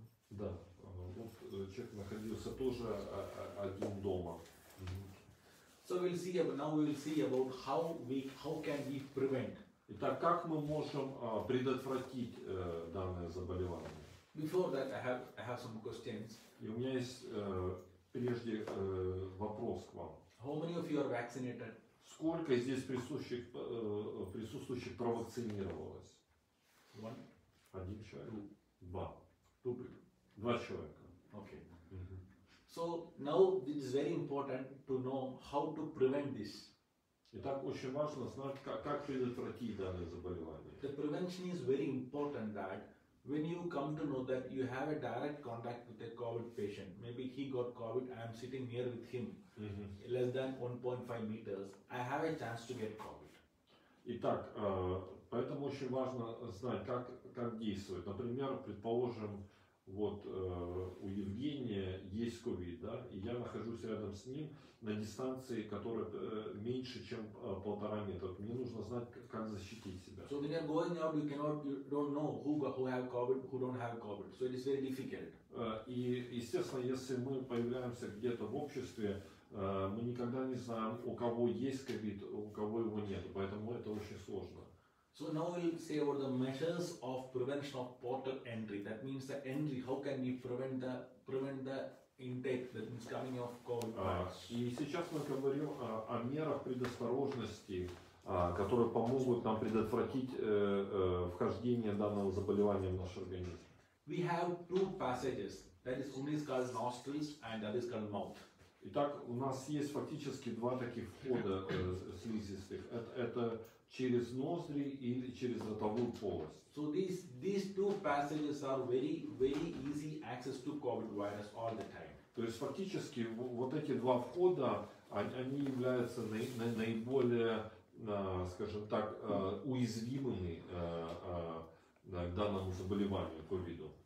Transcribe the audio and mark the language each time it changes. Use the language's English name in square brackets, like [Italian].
[Russian] Да. Вот человек находился тоже один дома. [English] So we'll see. Now we'll see about how can we prevent. [Russian] Итак, как мы можем предотвратить данное заболевание? [English] Before that, I have some questions. [Russian] И у меня есть прежде вопрос к вам. [English] How many of you are vaccinated? [Russian] Сколько здесь присутствующих провакцинировалось? [English] One. [Russian] Один человек. [English] Two. [Russian] Два. [English] Two. [Russian] Два человека. [English] Okay. So now it is very important to know how to prevent this. [Russian] Итак, очень важно знать, как предотвратить данное заболевание. [English] The prevention is very important that when you come to know that you have a direct contact with a COVID patient, maybe he got COVID, I am sitting near with him, less than 1.5 meters, I have a chance to get COVID. [Russian] Итак, поэтому очень важно знать, как действовать. Например, предположим, вот у Евгения есть COVID, да, и я нахожусь рядом с ним на дистанции, которая меньше, чем 1.5 метра. Мне нужно знать, как защитить себя. [English] So when you're going out, you don't know who have COVID, who don't have COVID. So it is very difficult. [Russian] И, естественно, если мы появляемся где-то в обществе, мы никогда не знаем, у кого есть COVID, у кого его нет. Поэтому это очень сложно. [English] So now we'll say about the measures of prevention of portal entry. That means the entry, how can we prevent the intake, that means coming of COVID. [Russian] И сейчас мы говорим о мерах предосторожности, которые помогут нам предотвратить вхождение данного заболевания в наш организм. [English] We have two passages. That is one is called nostrils and that is called mouth. [Russian] Итак, у нас есть фактически два таких входа слизистых. Это через ноздри или через ротовую полость. [English] So these two passages are very very easy access to COVID virus all the time. [Russian] То есть фактически вот эти два входа, они являются наиболее, скажем так, уязвимыми к данному заболеванию COVID.